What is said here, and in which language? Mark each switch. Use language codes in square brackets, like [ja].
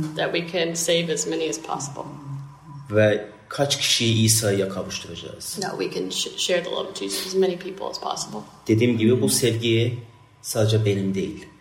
[en] That we can save as many as possible. [tr] Ve kaç kişiyi İsa'ya kavuşturacağız. [en] No, we can share the love of Jesus as many people as possible. [tr] Dediğim gibi bu sevgi sadece benim değil.